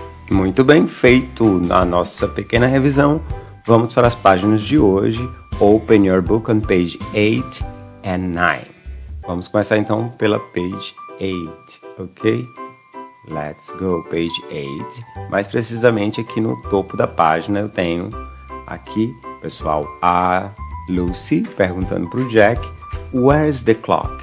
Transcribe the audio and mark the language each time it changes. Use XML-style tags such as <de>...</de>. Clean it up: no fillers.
<pt>Muito bem feito na nossa pequena revisão. Vamos para as páginas de hoje.</pt> <en>Open your book on page 8 and 9.</en> <pt>Vamos começar então pela page 8, ok? Let's go, page 8. Mais precisamente aqui no topo da página eu tenho aqui, pessoal, a Lucy perguntando para o Jack, where's the clock?</pt>